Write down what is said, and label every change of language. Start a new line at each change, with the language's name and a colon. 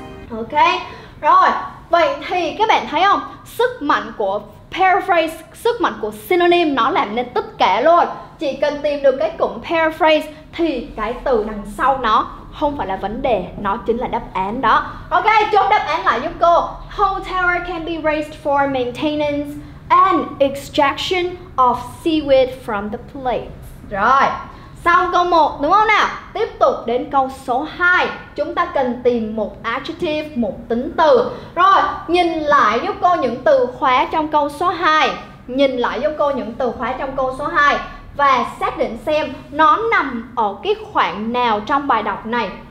Vietnamese: Ok, rồi, vậy thì các bạn thấy không? Sức mạnh của paraphrase, sức mạnh của synonym nó làm nên tất cả luôn. Chỉ cần tìm được cái cụm paraphrase thì cái từ đằng sau nó không phải là vấn đề, nó chính là đáp án đó. Ok, chốt đáp án lại giúp cô.
English: Whole tower can be raised for maintenance and extraction of seaweed from the plate.
Vietnamese: Rồi, xong câu 1 đúng không nào? Tiếp tục đến câu số 2. Chúng ta cần tìm một adjective, một tính từ. Rồi, nhìn lại giúp cô những từ khóa trong câu số 2. Nhìn lại giúp cô những từ khóa trong câu số 2 và xác định xem nó nằm ở cái khoảng nào trong bài đọc này.